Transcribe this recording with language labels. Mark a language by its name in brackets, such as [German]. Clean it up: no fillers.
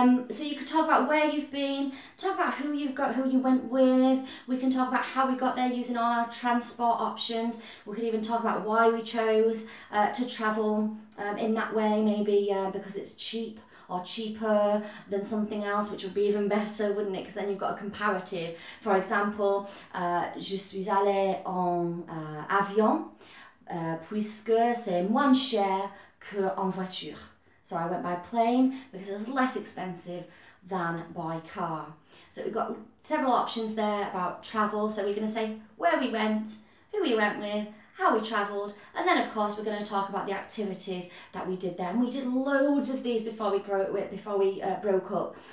[English] So you could talk about where you've been, talk about who you went with. We can talk about how we got there using all our transport options. We could even talk about why we chose to travel in that way, maybe because it's cheap. Or cheaper than something else, which would be even better, wouldn't it? Because then you've got a comparative. For example, [French] je suis allé en avion puisque c'est moins cher que en voiture. [English] So I went by plane because it's less expensive than by car. So we've got several options there about travel. So we're going to say where we went, who we went with, how we travelled, and then of course we're going to talk about the activities that we did there. And we did loads of these before we broke up.